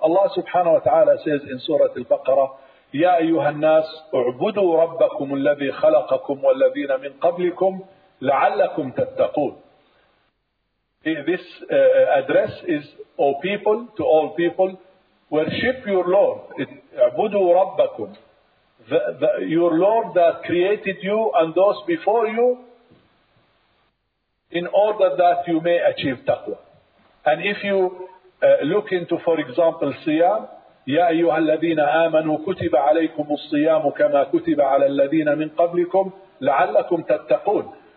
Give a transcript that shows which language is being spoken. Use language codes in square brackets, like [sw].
[en] Allah subhanahu wa ta'ala says in Surah Al-Baqarah, [ar] يَا أَيُّهَا النَّاسُ اُعْبُدُوا رَبَّكُمُ الَّذِي خَلَقَكُمْ وَالَّذِينَ مِنْ قَبْلِكُمْ لَعَلَّكُمْ تَتَّقُونَ. [en] This address is, O people, to all people, worship your Lord. [ar] اُعْبُدُوا رَبَّكُمْ, [en] your Lord that created you and those before you, in order that you may achieve taqwa. And if you look into, for example, siyam, [ar] يَا أَيُّهَا الَّذِينَ آمَنُوا كُتِبَ عَلَيْكُمُ الصِّيَامُ كَمَا كُتِبَ عَلَى الَّذِينَ مِنْ قَبْلِكُمْ لَعَلَّكُمْ تَتَّقُونَ.